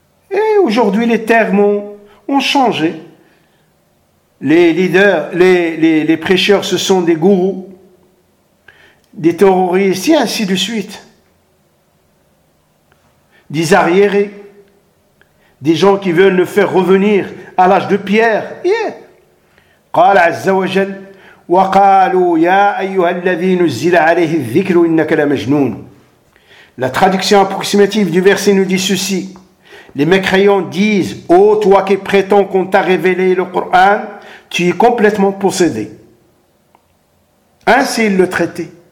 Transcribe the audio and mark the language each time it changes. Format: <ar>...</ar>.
<fr>Et aujourd'hui, les termes ont changé. Les leaders, les prêcheurs, ce sont des gourous, des terroristes, et ainsi de suite. Des arriérés, des gens qui veulent le faire revenir à l'âge de pierre. Yeah.</fr> <ar>قال عز وجل وقالوا يا أيها الذي نزل عليه الذكر إنك لمجنون.</ar> <fr>La traduction approximative du verset nous dit ceci. Les mécréants disent, ô toi qui prétends qu'on t'a révélé le Coran, tu es complètement possédé. Ainsi ils le traitaient.</fr>